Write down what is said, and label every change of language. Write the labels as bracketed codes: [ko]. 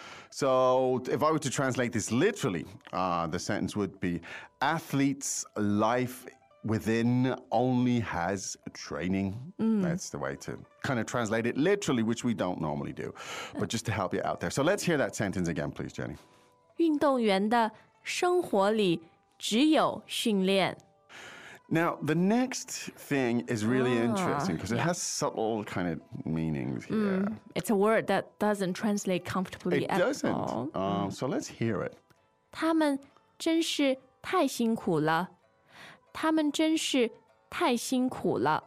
[en] So, if I were to translate this literally,、the sentence would be, athlete's life within only has training.、 Mm. That's the way to kind of translate it literally, which we don't normally do, but just to help you out there. So, let's hear that sentence again, please, Jenny. [zh] 运动员的生活里只有训练。 [en] Now, the next thing is really interesting because it、yeah. has subtle kind of meanings here.、 Mm, it's a word that doesn't translate comfortably it at doesn't. All.、 Mm. So let's hear it. [zh] 他们真是太辛苦了。他们真是太辛苦了。